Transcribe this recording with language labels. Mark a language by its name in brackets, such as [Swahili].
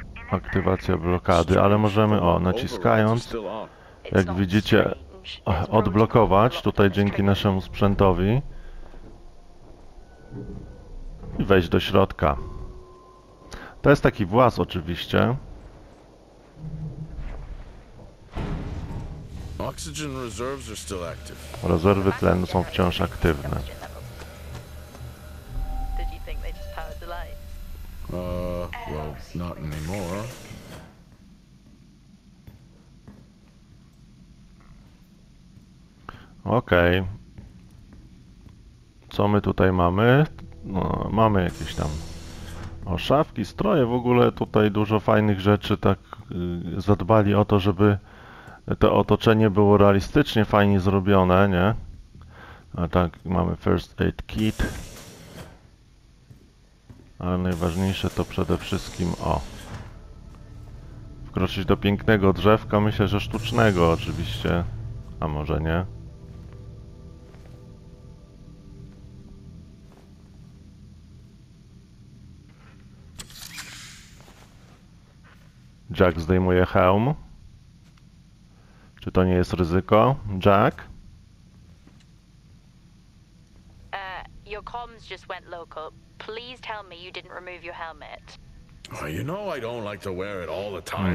[Polish] Aktywacja blokady, ale możemy, o, naciskając, jak widzicie, odblokować tutaj dzięki naszemu sprzętowi i wejść do środka. To jest taki właz oczywiście. [English] Oxygen reserves are still active. [Polish] Rezerwy tlenu są wciąż aktywne. [English] Did you think they just powered the light? Well, not anymore. [Polish] Okej. Co my tutaj mamy? No, mamy jakieś tam oszafki, stroje, w ogóle tutaj dużo fajnych rzeczy, tak zadbali o to, żeby to otoczenie było realistycznie fajnie zrobione, nie? A tak, mamy first aid kit. Ale najważniejsze to przede wszystkim, o, wkroczyć do pięknego drzewka, myślę, że sztucznego oczywiście. A może nie? Jack zdejmuje hełm. Czy to nie jest ryzyko, Jack? [English] Your comms just went local. Please tell me you didn't remove your helmet. Oh, you know I don't like to wear it all the time.